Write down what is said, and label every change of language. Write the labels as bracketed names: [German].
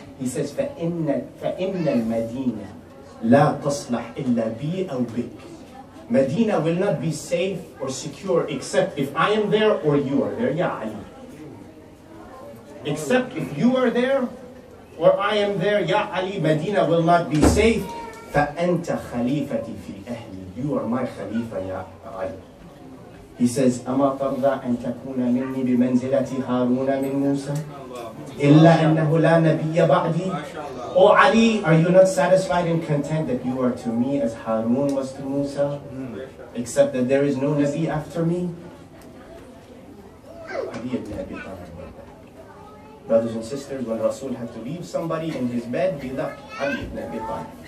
[English] He says, [Arabic] فَإِنَّ الْمَدِينَ لَا تَصْلَحْ إِلَّا بِي أَوْ بِكْ. [English] Medina will not be safe or secure except if I am there or you are there. Ya Ali. Except if you are there or I am there. Ya Ali, Medina will not be safe. [Arabic] فَأَنْتَ خَلِيفَتِي فِي أَهْلِي. [English] You are my Khalifa, Ya Ali. He says, [Arabic] أَمَا تَرْضَى أَنْ تَكُونَ مِنِّي بِمَنْزِلَةِ هَارُونَ مِنْ مُوسَى إِلَّا أَنَّهُ لَا نَبِيَّ بَعْدِي. [English] O Ali, are you not satisfied and content that you are to me as Harun was to Musa? Except that there is no Nabi after me? Ali ibn Abi Talib. Brothers and sisters, when Rasul had to leave somebody in his bed, he left Ali ibn Abi Talib.